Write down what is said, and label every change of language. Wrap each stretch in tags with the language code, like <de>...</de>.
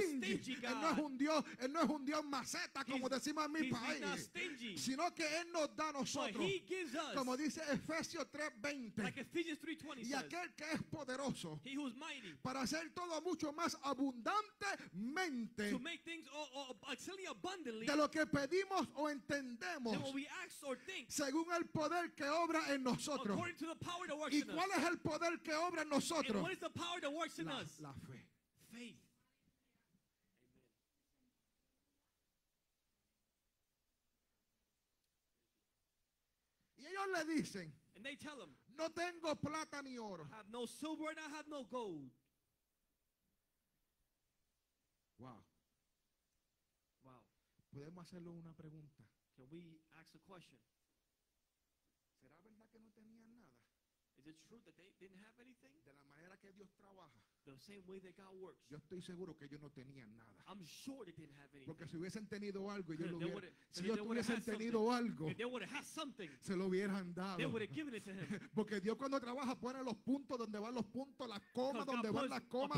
<es>Él no es un Dios maceta, como decimos en mi país, sino que Él nos da a nosotros, como dice Efesios 3:20, y aquel que es poderoso para hacer todo mucho más abundantemente de lo que pedimos o entendemos, según el poder que obra en nosotros.</es> <en>According to the power that works</en> <es>¿y cuál</es> <en>in</en> <es>es el poder que obra en nosotros?</es> <en>And what is the power that works in us?</en> <es>La fe.</es> <en>Faith. Amen.</en> <es>Y ellos le dicen,</es> <en>and they tell him,</en> <es>no tengo plata ni oro.</es> <en>I have no silver and I have no gold. Wow.</en> <es>¿Podemos hacerle una pregunta?</es> <en>Can we ask a question?</en> <es>¿Será verdad que no tenían nada?</es> <en>Is it true that they didn't have anything?</en> <es>De la manera que Dios trabaja.</es> <en>The same way that God works.</en> <es>Yo estoy seguro que ellos no tenían nada.</es> <en>I'm sure they didn't have anything.</en> <es>Porque si hubiesen tenido algo, ellos lo hubieran. Si ellos hubiesen tenido algo,</es> <en>they would have had something.</en> <es>Se lo hubieran dado.</es> <en>They would have given it to him.</en> <es>Porque Dios cuando trabaja pone los puntos donde van los puntos, las comas donde van las comas.</es>